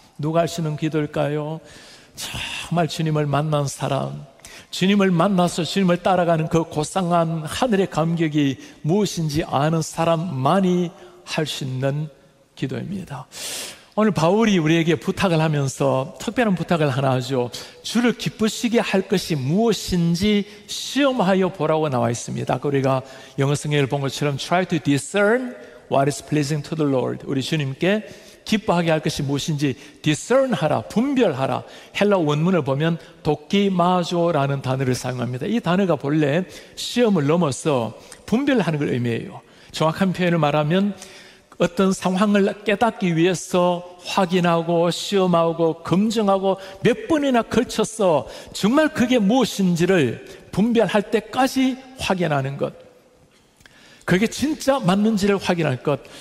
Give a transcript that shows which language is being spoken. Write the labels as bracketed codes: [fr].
[ko] 누가 하시는 기도일까요? 정말 주님을 만난 사람, 주님을 만나서 주님을 따라가는 그 고상한 하늘의 감격이 무엇인지 아는 사람만이 할 수 있는 기도입니다. 오늘 바울이 우리에게 부탁을 하면서 특별한 부탁을 하나 하죠. 주를 기쁘시게 할 것이 무엇인지 시험하여 보라고 나와 있습니다. 우리가 영어 성경을 본 것처럼 [en] Try to discern what is pleasing to the Lord. [ko] 우리 주님께 기뻐하게 할 것이 무엇인지 discern하라, 분별하라. 헬라 원문을 보면 도끼마조라는 단어를 사용합니다. 이 단어가 본래 시험을 넘어서 분별하는 걸 의미해요. 정확한 표현을 말하면 어떤 상황을 깨닫기 위해서 확인하고 시험하고 검증하고 몇 번이나 걸쳐서 정말 그게 무엇인지를 분별할 때까지 확인하는 것, 그게 진짜 맞는지를 확인할 것.